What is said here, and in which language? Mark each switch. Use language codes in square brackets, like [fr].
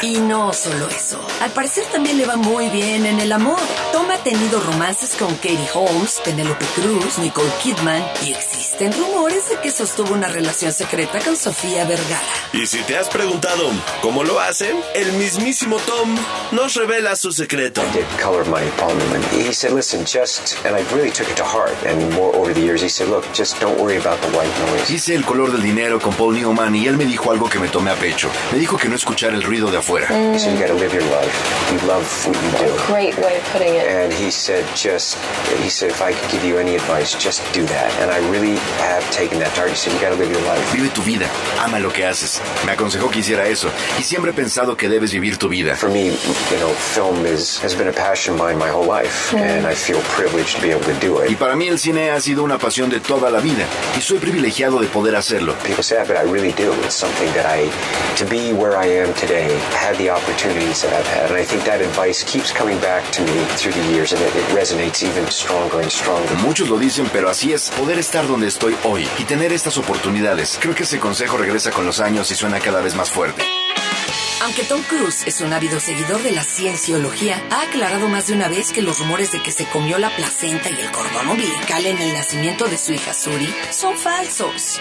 [es] Y no solo eso, al parecer también le va muy bien en el amor. Tom ha tenido romances con Katie Holmes, Penélope Cruz, Nicole Kidman y existen rumores de que sostuvo una relación secreta con Sofía Vergara. Y si te has preguntado cómo lo hacen, el mismísimo Tom nos revela su secreto. [en] I did color my palm and he said, listen, just, and I really took it to heart. And more over the years, he said, look, just don't worry about the white noise. [es] Hice El Color del Dinero con Paul Newman y él me dijo algo que me tomé a pecho. Me dijo que no escuchara el ruido de afuera. [en] He said, you gotta live your life. You love what you do. Great way of putting it. And he said, if I could give you any advice, just do that. And I really have taken that to heart. He said, you gotta live your life. [es] Vive tu vida, ama lo que haces. Me aconsejó que hiciera eso y siempre he pensado que debes vivir tu vida. [en] For me, you know, film has been a passion of mine my whole life, and I feel privileged to be able to do it. [es] Y para mí el cine ha sido una pasión de toda la vida y soy privilegiado de poder hacerlo. [en] People say that, but I really do. It's something that I, to be where I am today, had the opportunities that I've had, and I think that advice keeps coming back to me through the years, and it resonates even stronger and stronger. [es] Muchos lo dicen, pero así es. Poder estar donde estoy hoy y tener estas oportunidades. Creo que ese consejo regresa con los años y suena cada vez más fuerte. Aunque Tom Cruise es un ávido seguidor de la cienciología, ha aclarado más de una vez que los rumores de que se comió la placenta y el cordón umbilical en el nacimiento de su hija Suri son falsos.